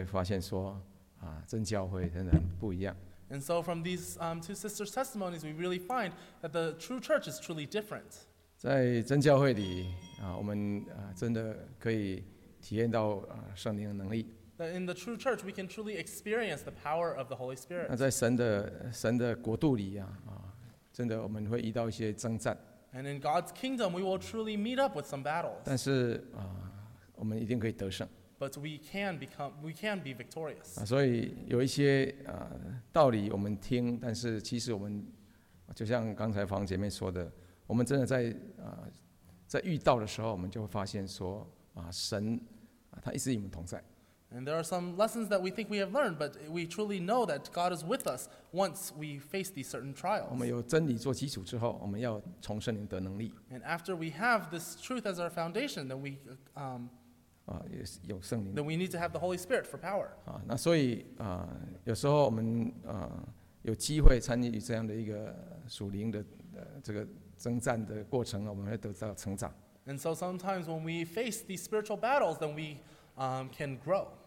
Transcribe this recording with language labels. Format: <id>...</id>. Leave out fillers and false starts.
<zh>所以我们从两位姐妹的见证，我们会发现说，啊，真教会真的很不一样。</zh> <en>And so from these two sisters' testimonies, we really find that the true church is truly different.</en> <zh>在真教会里，啊，我们真的可以体验到圣灵的能力。</zh> <en>That in the true church, we can truly experience the power of the Holy Spirit.</en> <zh>那在神的国度里呀，啊，真的我们会遇到一些征战。</zh> <en>And in God's kingdom, we will truly meet up with some battles.</en> <zh>但是, 我们一定可以得胜。</zh> <en>But we can be victorious.</en> <zh>所以有一些, 道理我们听, 但是其实我们, 就像刚才方姐妹说的, 我们真的在, 在遇到的时候, 我们就会发现说, 神, 祂一直与我们同在。</zh> <en>And there are some lessons that we think we have learned, but we truly know that God is with us once we face these certain trials. And after we have this truth as our foundation, then we, then we need to have the Holy Spirit for power.</en> <zh>那所以有时候我们有机会参与这样的一个属灵的这个征战的过程，我们会得到成长。</zh> <en>And so sometimes when we face these spiritual battles, then we can grow.</en>